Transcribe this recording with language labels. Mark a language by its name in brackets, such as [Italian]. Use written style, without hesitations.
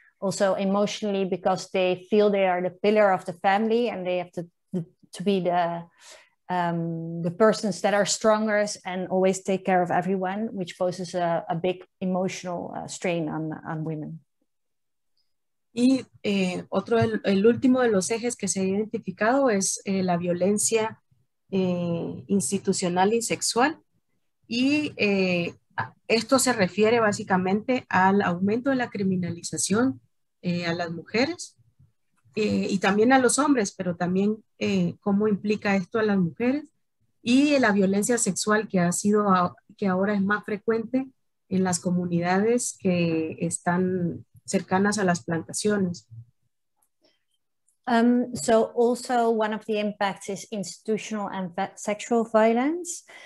[English] Also emotionally, because they feel they are the pillar of the family and they have to be the persons that are strongest and always take care of everyone, which poses a big emotional strain on women. [Spanish] Y otro, el último de los ejes que se ha identificado es la violencia institucional y sexual. Y esto se refiere básicamente al aumento de la criminalización a las mujeres y también a los hombres, pero también cómo implica esto a las mujeres y la violencia sexual que ahora es más frecuente en las comunidades que están cercanas a las plantaciones. [English] So also one of the impacts is institutional and sexual violence.